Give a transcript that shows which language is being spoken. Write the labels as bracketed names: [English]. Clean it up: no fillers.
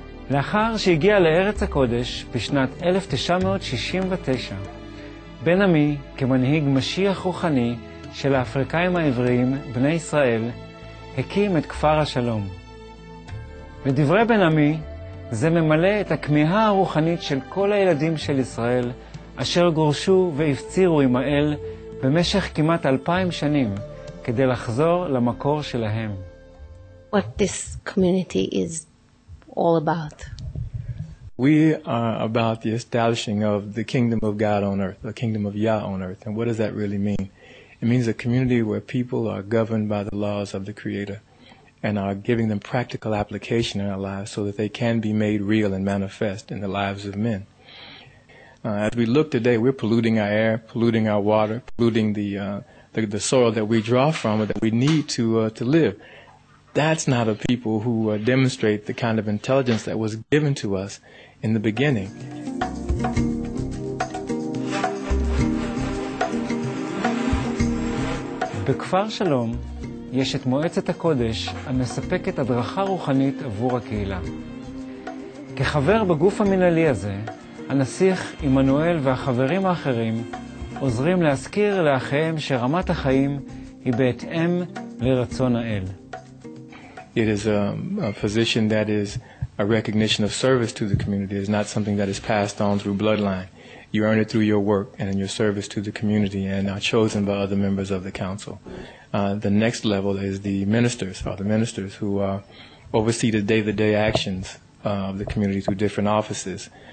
[Hebrew] לאחר שהגיע לארץ הקודש בשנת 1969, בן-עמי, כמנהיג משיח רוחני של האפריקאים העבריים בני ישראל, הקים את כפר השלום. לדברי בן-עמי, זה ממלא את הכמיהה הרוחנית של כל הילדים של ישראל אשר גורשו והפצירו עם האל במשך כמעט 2,000 שנים כדי לחזור למקור שלהם. [English] What this community is all about? We are about the establishing of the kingdom of God on earth, the kingdom of Yah on earth. And what does that really mean? It means a community where people are governed by the laws of the Creator and are giving them practical application in our lives so that they can be made real and manifest in the lives of men. As we look today, we're polluting our air, polluting our water, polluting the soil that we draw from or that we need to live. That's not a people who demonstrate the kind of intelligence that was given to us in the beginning. [Hebrew] בכפר שלום יש את מועצת הקודש המספקת הדרכה רוחנית עבור הקהילה. כחבר בגוף המנהלי הזה, הנסיך עמנואל והחברים האחרים עוזרים להזכיר לאחיהם שרמת החיים היא בהתאם לרצון האל. [English] It is a position that is a recognition of service to the community. It's not something that is passed on through bloodline. You earn it through your work and in your service to the community and are chosen by other members of the council. The next level is the ministers, or the ministers who oversee the day-to-day actions of the community through different offices.